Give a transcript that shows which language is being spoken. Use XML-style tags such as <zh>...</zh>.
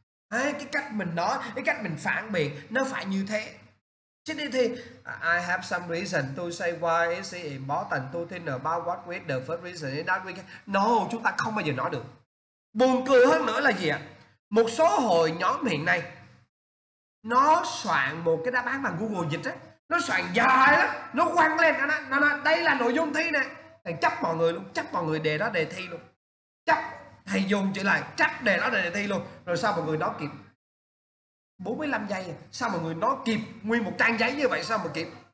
<vi>Đấy, cái cách mình nói, cái cách mình phản biện nó phải như thế. Chứ đi thì</vi> <en>I have some reason to say why is it important to think about what we the first reason is that we can.</en> <vi>No, chúng ta không bao giờ nói được. Buồn cười hơn nữa là gì ạ? Một số hội nhóm hiện nay nó soạn một cái đáp án bằng Google dịch á, nó soạn dài lắm, nó quăng lên, nó đây là nội dung thi nè, thầy chấp mọi người luôn, chấp mọi người đề đó đề thi luôn, chấp thầy dùng chữ là chấp đề đó đề thi luôn, rồi sao mọi người nói kịp 45 giây, sao mọi người nói kịp nguyên một trang giấy như vậy, sao mà kịp?</vi>